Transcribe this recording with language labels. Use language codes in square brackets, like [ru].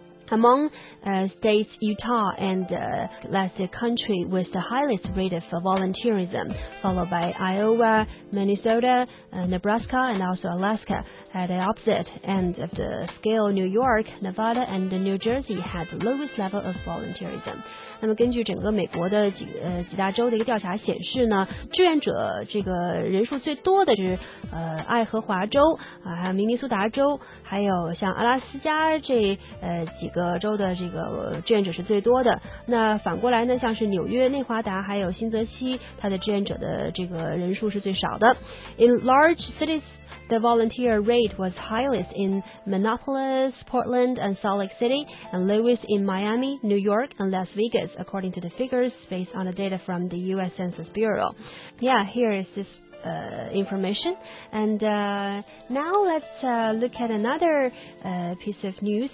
[en] Among states, Utah and last country with the highest rate of volunteerism, followed by Iowa, Minnesota, Nebraska, and also Alaska. At the opposite end of the scale, New York, Nevada, and New Jersey had the lowest level of volunteerism. [zh] 那么根据整个美国的 几大州的一个调查显示呢，志愿者这个人数最多的就是爱荷华州啊，还有明尼苏达州，还有像阿拉斯加这几个州的这个志愿者是最多的。那反过来呢，像是纽约、内华达还有新泽西，它的志愿者的这个人数是最少的。 [en] In large cities,The volunteer rate was highest in Minneapolis, Portland, and Salt Lake City, and lowest in Miami, New York, and Las Vegas, according to the figures based on the data from the U.S. Census Bureau. Yeah, here is this information. And now let's look at another piece of news.